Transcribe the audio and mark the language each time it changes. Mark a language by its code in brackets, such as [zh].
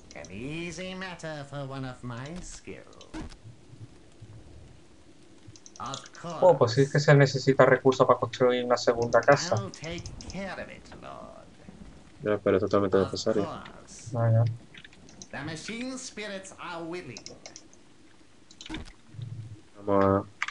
[en] Easy matter for one of my skill. Of course. [es] Oh, pues sí es que se necesita recursos para construir una segunda casa. [en] I'll take care of it, Lord. [es] Ya, pero es totalmente necesario. Vaya. [en] The machine spirits are willing. [es] Vamos a.